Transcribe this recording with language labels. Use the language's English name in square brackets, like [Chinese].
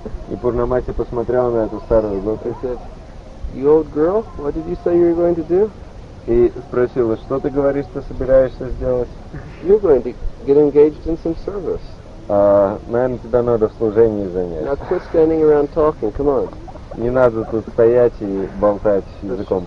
[Russian] И Пурнамаси посмотрел на эту старую гопи. [English] He said, "You old girl, what did you say you were going to do?" [Russian] И спросила, что ты говоришь, ты собираешься сделать? [English] You're going to get engaged in some service. [Russian] Наверное, тебя надо в служении занять. [English] Now quit standing around talking. Come on. [Russian] Не надо тут стоять и болтать языком.